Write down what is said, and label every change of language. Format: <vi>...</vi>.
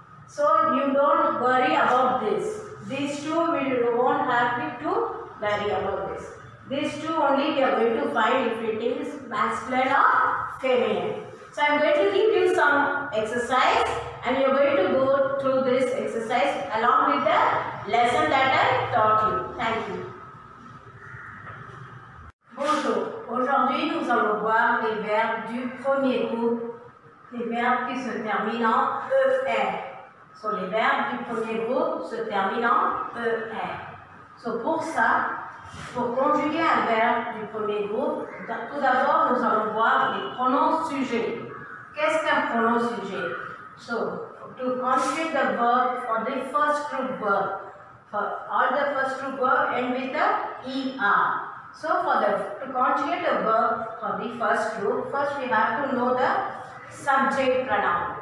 <en>So you don't worry about this. These two will won't have to worry about this. These two only we are going to find if it is masculine or feminine. So I am going to give you some exercise and you are going to go through this exercise along with the lesson that I taught you. Thank you.</en> <fr>Bonjour. Aujourd'hui nous allons voir les verbes du premier groupe, les verbes qui se terminent en ER. So les verbes du premier groupe se terminent en ER. So pour ça, pour conjuguer un verbe du premier groupe, tout d'abord nous allons voir les pronoms sujets. Qu'est-ce qu'un pronom sujet?</fr> <en>So, to conjugate the verb for the first group verb, for all the first group verb end with the ER. So, to conjugate a verb for the first group, first we have to know the subject pronoun.</en>